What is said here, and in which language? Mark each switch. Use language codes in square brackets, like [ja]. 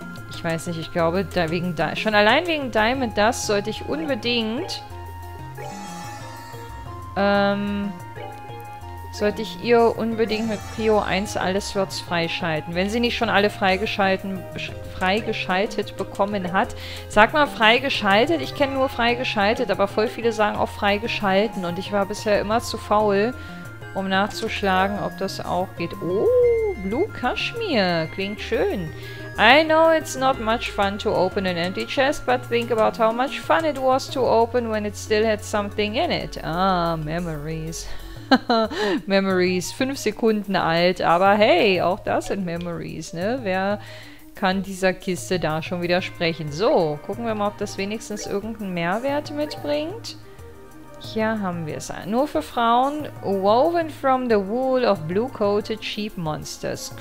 [de] Ich weiß nicht, ich glaube, da wegen schon allein wegen Diamond Dust sollte ich unbedingt, sollte ich ihr unbedingt mit Prio 1 alle Slots freischalten. Wenn sie nicht schon alle freigeschaltet bekommen hat. Sag mal freigeschaltet. Ich kenne nur freigeschaltet, aber voll viele sagen auch freigeschalten. Und ich war bisher immer zu faul, um nachzuschlagen, ob das auch geht. Oh, Blue Kashmir. Klingt schön. [en] I know it's not much fun to open an empty chest, but think about how much fun it was to open when it still had something in it. Ah, Memories. [de] Memories, 5 Sekunden alt, aber hey, auch das sind Memories, ne? Wer kann dieser Kiste da schon widersprechen? So, gucken wir mal, ob das wenigstens irgendeinen Mehrwert mitbringt. Hier haben wir es. Nur für Frauen. [en] Woven from the wool of blue-coated sheep monsters.